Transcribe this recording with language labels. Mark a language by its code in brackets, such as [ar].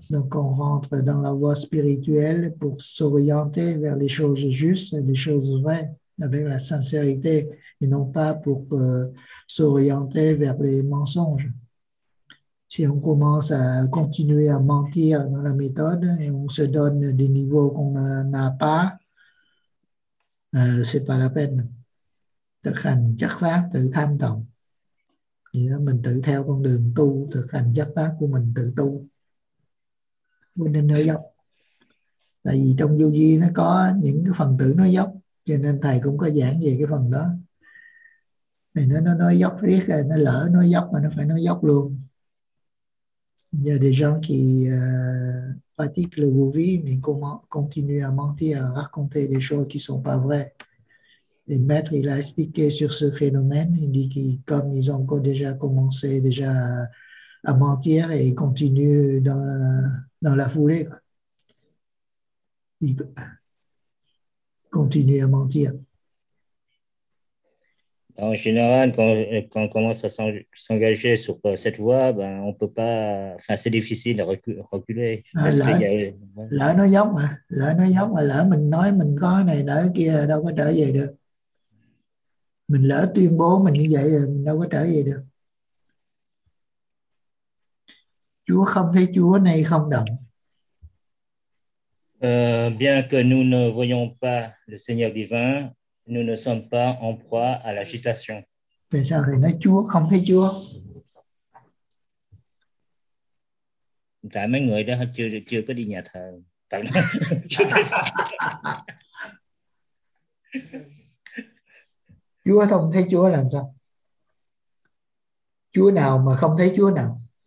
[fr] Donc on rentre dans la voie spirituelle pour s'orienter vers les choses justes, les choses vraies, avec la sincérité, et non pas pour s'orienter vers les mensonges. Si on commence à continuer à mentir dans la méthode, et on se donne des niveaux qu'on n'a pas, c'est pas la peine. [vi] Thực hành chất pháp, tự tham tổng. Mình tự theo con đường tu, thực hành chất pháp của mình tự tu. Mình nên nói dốc. Tại vì trong vô vi nó có những cái phần tử nói dốc, cho nên thầy cũng có giảng về cái phần đó. Thì nó nói dốc riết, nó lỡ nói dốc mà nó phải nói dốc luôn. [fr] Il y a des gens qui pratiquent le vô vi, mais comment continuer à mentir, à raconter des choses qui ne sont pas vraies. Le maître, il a expliqué sur ce phénomène. Il dit que comme ils ont déjà commencé déjà à mentir et ils continuent dans la foulée, ils continuent à mentir. En général, quand on commence à s'engager sur cette voie, ben on peut pas. Enfin, c'est difficile de reculer. [vi] Là nó giống mà, là nó giống mà, là mình nói mình có này đó kia, đâu có trở về được. Mình lỡ tuyên bố mình như vậy rồi, mình đâu có trở về được. Chúa không thấy Chúa nay không động. [fr] Bien que nous ne voyons pas le Seigneur divin, nous ne sommes pas en proie à l'agitation. [vi] Tại sao thì nói Chúa không thấy Chúa? Tại mấy người đó chưa có đi nhà thờ. Chúa không thấy Chúa là sao? Chúa nào mà không thấy Chúa nào?